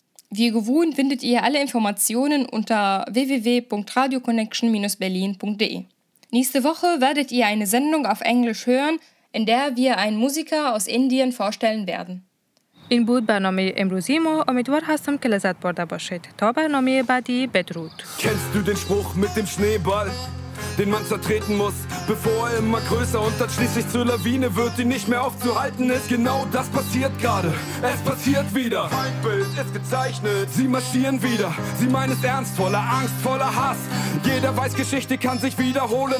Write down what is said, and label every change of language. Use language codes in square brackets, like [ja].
[de] Wie gewohnt findet ihr alle Informationen unter www.radioconnection-berlin.de. Nächste Woche werdet ihr eine Sendung auf Englisch hören, in der wir einen Musiker aus Indien vorstellen werden. [fa] این بود برنامه امروزی ما. امیدوار هستم که لذت برده باشید. تا برنامه بعدی بدرود. [de] Kennst du den Spruch mit dem Schneeball, den man zertreten muss, bevor er immer größer und dann schließlich zur Lawine wird, die nicht mehr aufzuhalten ist? Genau das passiert gerade, es passiert wieder. Feindbild ist gezeichnet, sie marschieren wieder. Sie meinen es ernst, voller Angst, voller Hass. Jeder weiß, Geschichte kann sich wiederholen.